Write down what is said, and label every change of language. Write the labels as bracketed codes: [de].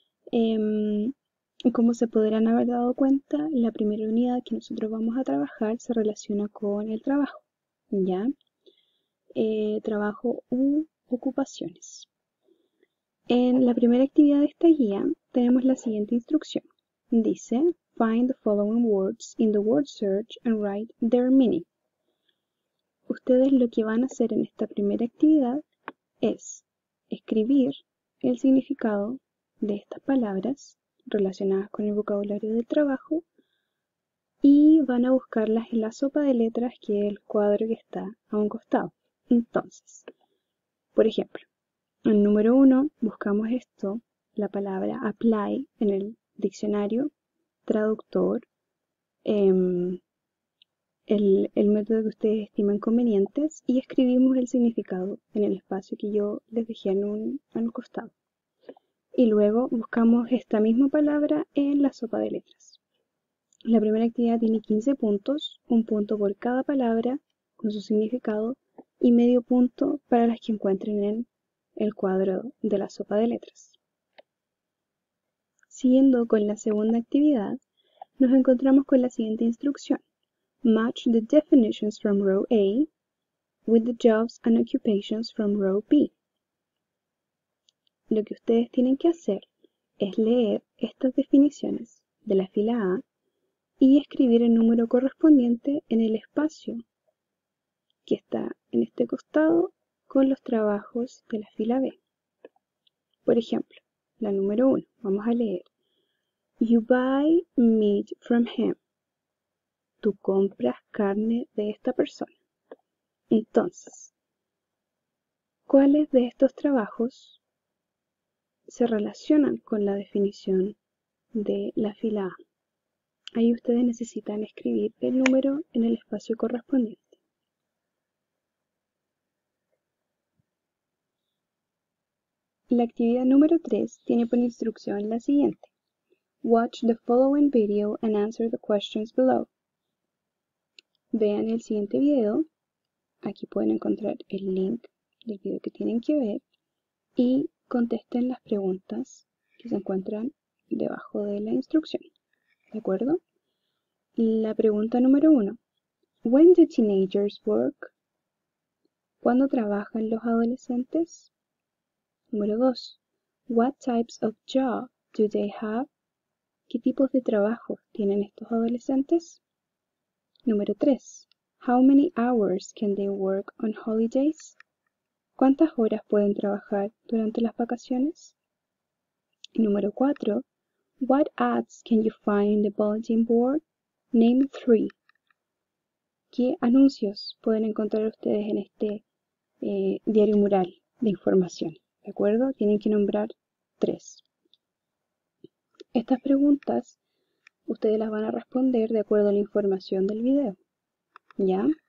[es] Como se podrán haber dado cuenta, la primera unidad que nosotros vamos a trabajar se relaciona con el trabajo, ¿ya? Trabajo u ocupaciones. En la primera actividad de esta guía tenemos la siguiente instrucción. Dice: [en] Find the following words in the word search and write their meaning. [es] Ustedes lo que van a hacer en esta primera actividad es escribir el significado de estas palabras relacionadas con el vocabulario del trabajo y van a buscarlas en la sopa de letras que es el cuadro que está a un costado. Entonces, por ejemplo, en el número 1 buscamos esto, la palabra apply en el diccionario. Traductor, el método que ustedes estimen convenientes y escribimos el significado en el espacio que yo les dejé en un costado. Y luego buscamos esta misma palabra en la sopa de letras. La primera actividad tiene 15 puntos, un punto por cada palabra con su significado y medio punto para las que encuentren en el cuadro de la sopa de letras. Siguiendo con la segunda actividad, nos encontramos con la siguiente instrucción. [en] Match the definitions from row A with the jobs and occupations from row B. [es] Lo que ustedes tienen que hacer es leer estas definiciones de la fila A y escribir el número correspondiente en el espacio que está en este costado con los trabajos de la fila B. Por ejemplo, la número 1. Vamos a leer. [en] You buy meat from him. [es] Tú compras carne de esta persona. Entonces, ¿cuáles de estos trabajos se relacionan con la definición de la fila A? Ahí ustedes necesitan escribir el número en el espacio correspondiente. La actividad número 3 tiene por instrucción la siguiente. [en] Watch the following video and answer the questions below. [es] Vean el siguiente video. Aquí pueden encontrar el link del video que tienen que ver y contesten las preguntas que se encuentran debajo de la instrucción. ¿De acuerdo? La pregunta número 1. [en] When do teenagers work? [es] ¿Cuándo trabajan los adolescentes? Número 2. [en] What types of job do they have? [es] ¿Qué tipos de trabajo tienen estos adolescentes? Número 3. [en] How many hours can they work on holidays? [es] ¿Cuántas horas pueden trabajar durante las vacaciones? Número 4. [en] What ads can you find in the bulletin board? Name 3. [es] ¿Qué anuncios pueden encontrar ustedes en este diario mural de información? ¿De acuerdo? Tienen que nombrar 3. Estas preguntas ustedes las van a responder de acuerdo a la información del video. ¿Ya?